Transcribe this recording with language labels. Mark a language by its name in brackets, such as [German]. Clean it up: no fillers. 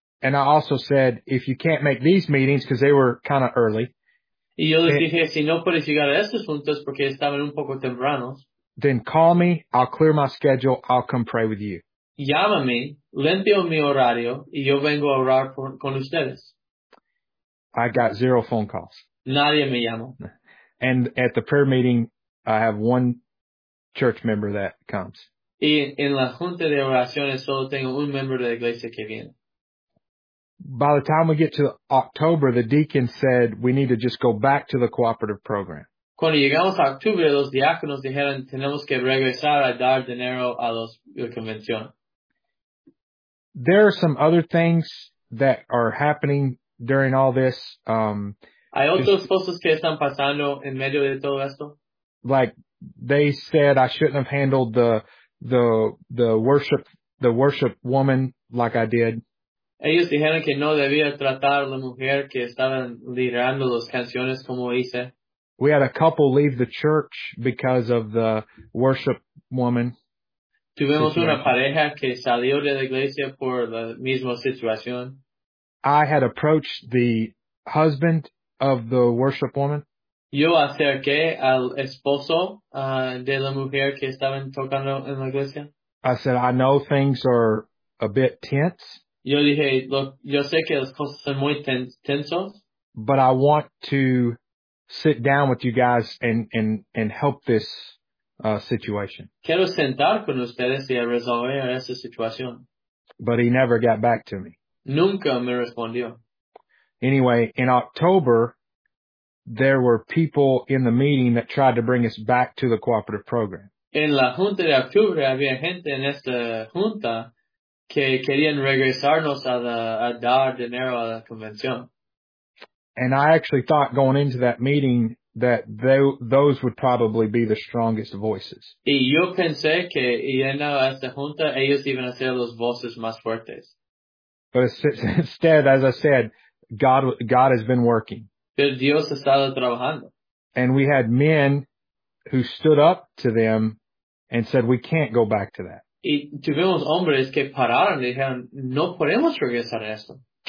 [English] And I also said, if you can't make these meetings, because they were kind of early. [Spanish] Y yo les dije, si no puedes llegar a estas juntas porque estaban un poco tempranos. [English] Then call me, I'll clear my schedule, I'll come pray with you. [Spanish] Llámame, limpio mi horario, y yo vengo a orar con ustedes. [English] I got zero phone calls. [Spanish] Nadie me llamó. [English] And at the prayer meeting, I have one church member that comes. [Spanish] Y en la junta de oraciones solo tengo un miembro de la iglesia que viene. [English] By the time we get to October, the deacon said we need to just go back to the cooperative program. [Spanish] Cuando llegamos a octubre, los diáconos dijeron tenemos que regresar a dar dinero a la convención. [English] There are some other things that are happening during all this. [Spanish] ¿Hay otras cosas que están pasando en medio de todo esto? [English] Like they said I shouldn't have handled the worship woman like I did. [Spanish] Ellos dijeron que no debía tratar a la mujer que estaban liderando las canciones como hice. [English] We had a couple leave the church because of the worship woman. [Spanish] Tuvimos situation. Una pareja que salió de la iglesia por la misma situación. [English] I had approached the husband of the worship woman. [Spanish] Yo acerqué al esposo de la mujer que estaban tocando en la iglesia. [English] I said, I know things are a bit tense. [Spanish] Yo dije, look, yo sé que las cosas son muy tensos. [English] But I want to sit down with you guys and help this situation. [Spanish] Quiero sentar con ustedes y resolver esa situación. [English] But he never got back to me. [Spanish] Nunca me respondió. [English] Anyway, in October, there were people in the meeting that tried to bring us back to the cooperative program. [Spanish] En la junta de octubre había gente en esta junta que querían regresarnos a dar dinero a la convención. [English] And I actually thought going into that meeting that those would probably be the strongest voices. [Spanish] Y yo pensé que yendo a esta junta ellos iban a ser los voces más fuertes. [English] But instead, as I said, God has been working. [Spanish] Pero Dios ha estado trabajando. [English] And we had men who stood up to them and said, we can't go back to that. [Spanish] Y tuvimos hombres que pararon y dijeron, no podemos regresar a esto.